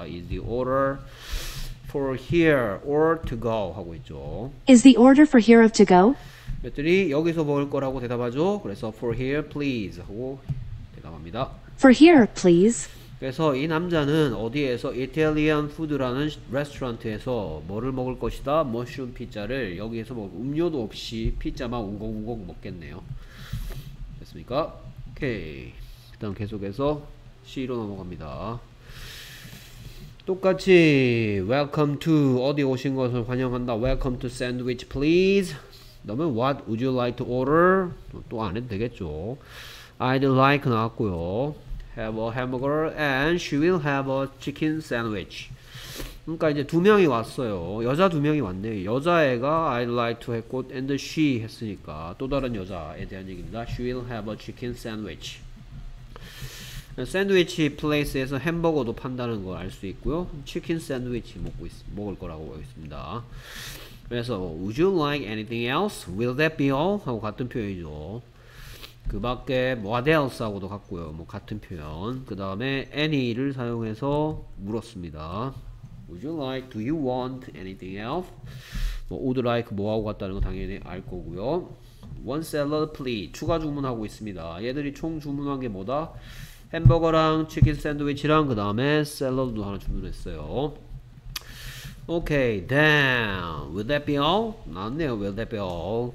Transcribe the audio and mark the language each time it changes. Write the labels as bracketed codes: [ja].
[en] is the order for here or to go [ko] 하고 있죠. [en] Is the order for here of to go? [ko] 그랬더니 여기서 먹을 거라고 대답하죠. 그래서 [en] for here please [ko] 하고 대답합니다. [en] For here please. [ko] 그래서 이 남자는 어디에서 이탈리안 푸드라는 레스토랑트에서 뭐를 먹을 것이다? 머쉬룸 피자를 여기에서 뭐 음료도 없이 피자만 우걱우걱 먹겠네요. 됐습니까? 오케이. 그다음 계속해서 C로 넘어갑니다. 똑같이 [en] welcome to [ko] 어디 오신 것을 환영한다. [en] welcome to sandwich please. [ko] 그러면 [en] what would you like to order? [ko] 또 안 해도 되겠죠. [en] I'd like [ko] 나왔고요. [en] Have a hamburger and she will have a chicken sandwich. [ko] 그러니까 이제 두 명이 왔어요. 여자 두 명이 왔네요. 여자애가 [en] I'd like to [ko] 했고 [en] and she [ko] 했으니까 또 다른 여자에 대한 얘기입니다. [en] She will have a chicken sandwich. [ko] 샌드위치 플레이스에서 햄버거도 판다는 걸 알 수 있고요. 치킨 샌드위치 먹을 거라고 보겠습니다. [en] 그래서 Would you like anything else? Will that be all? [ko] 하고 같은 표현이죠. 그 밖에 [en] What else? [ko] 하고도 같고요. 뭐 같은 표현. 그 다음에 any를 사용해서 물었습니다. [en] Would you like, do you want anything else? [ko] 뭐 would like 뭐하고 같다는 거 당연히 알 거고요. [en] One salad please. [ko] 추가 주문하고 있습니다. 얘들이 총 주문한 게 뭐다? 햄버거랑 치킨 샌드위치랑 그 다음에 샐러드도 하나 주문했어요. [en] 오케이, then will that be all? [ko] 나왔네요. [en] Will that be all?